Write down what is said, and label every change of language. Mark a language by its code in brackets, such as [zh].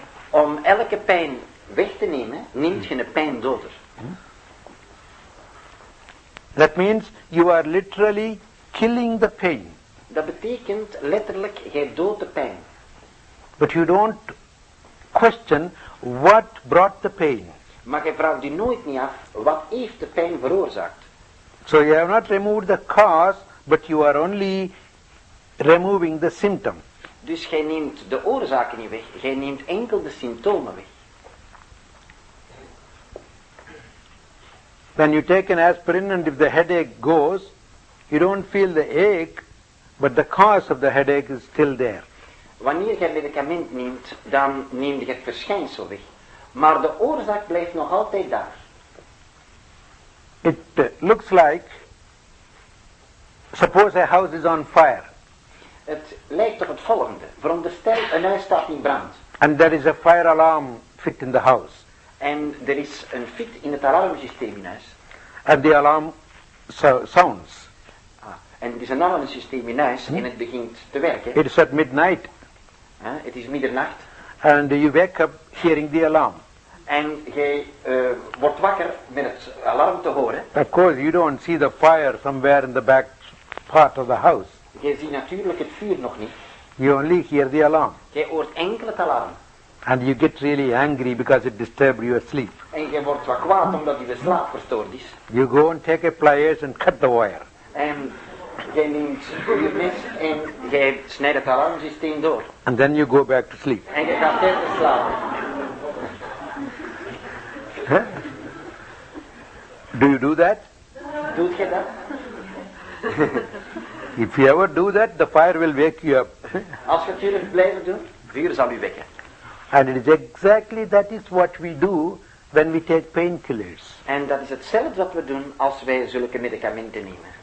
[nl] Om elke pijn weg te nemen, neemt je een pijndoder. [en] That means you are literally killing the pain. [nl] Dat betekent letterlijk, jij doodt de pijn. [en] But you don't question what brought the pain. [nl] Maar je vraagt je nooit niet af, wat heeft de pijn veroorzaakt? [en] So you have not removed the cause, but you are only removing the symptom. [nl] Dus jij neemt de oorzaken niet weg, jij neemt enkel de symptomen weg. [en] When you take an aspirin and if the headache goes, you don't feel the ache, but the cause of the headache is still there. [nl] Wanneer jij medicament neemt, dan neem je het verschijnsel weg. Maar de oorzaak blijft nog altijd daar. [en] It looks like, suppose a house is on fire. [nl] Het lijkt op het volgende. Veronderstel, een huis staat in brand. [en] And there is a fire alarm fit in the house. [nl] En er is een fit in het alarmsysteem in huis. [en] And the alarm sounds. [nl] Ah, en er is een alarmsysteem in huis en het begint te werken. [en] It is at midnight. [nl] Het is middernacht. [en] And you wake up hearing the alarm. [nl] En jij wordt wakker met het alarm te horen. [en] Of course, you don't see the fire somewhere in the back part of the house. [nl] Jij ziet natuurlijk het vuur nog niet. [en] You only hear the alarm. [nl] Jij hoort enkel het alarm. [en] And you get really angry because it disturbs your sleep. [nl] En jij wordt wat kwaad omdat je de slaap verstoord is. [en] You go and take a pliers and cut the wire. [nl] En jij neemt je mes en jij snijdt het alarmsysteem door. [en] And then you go back to sleep. [nl] En je gaat verder slapen. [en] Huh? Do you do that? [nl] Doet je dat? [en] If you ever do that, the fire will wake you up. [nl] Als je het blijven doen, vuur zal u wekken. [en] And it is exactly that is what we do when we take painkillers. [nl] En dat is hetzelfde wat we doen als wij zulke medicamenten nemen.